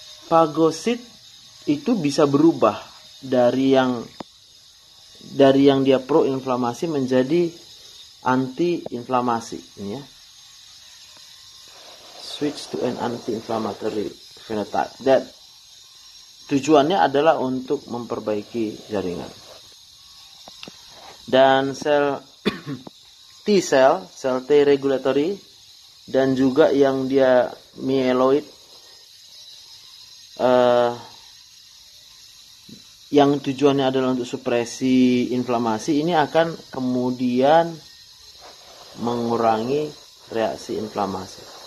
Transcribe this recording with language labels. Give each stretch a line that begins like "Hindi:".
Indonesian: Fagosit itu bisa berubah dari yang dia proinflamasi menjadi antiinflamasi, ya.
English: Switch to an anti-inflammatory phenotype. That
Indonesian: tujuannya adalah untuk memperbaiki jaringan. Dan sel T cell, sel T regulatory, dan juga yang dia mieloid, yang tujuannya adalah untuk supresi inflamasi, ini akan kemudian mengurangi reaksi inflamasi.